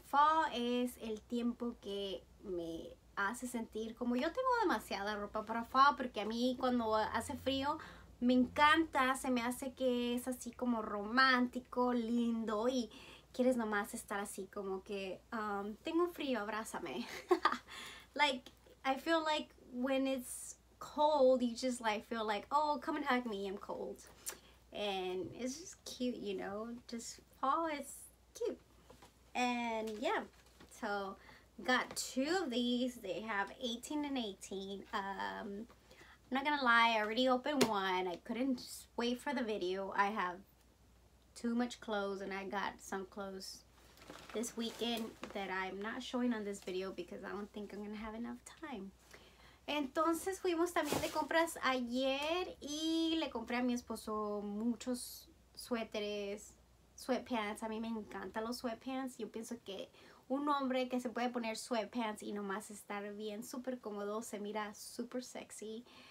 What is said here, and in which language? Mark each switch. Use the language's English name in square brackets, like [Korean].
[Spanish] Fall es el tiempo que me hace sentir como yo tengo demasiada ropa para fall. Porque a mí cuando hace frío me encanta. Se me hace que es así como romántico, lindo. Y quieres nomás estar así como que tengo frío, abrázame. [English] Like, I feel like when it's cold, you just like feel like, oh, come and hug me, I'm cold. And it's just cute, you know, just fall is cute. And yeah, so got two of these. They have 18 and 18. I'm not gonna lie, I already opened one. I couldn't just wait for the video. I have too much clothes, and I got some clothes this weekend that I'm not showing on this video because I don't think I'm gonna have enough time. [Spanish] Entonces fuimos también de compras ayer y le compré a mi esposo muchos suéteres, sweatpants. A mí me encantan los sweatpants. Yo pienso que un hombre que se puede poner sweatpants y nomás estar bien súper cómodo se mira súper sexy.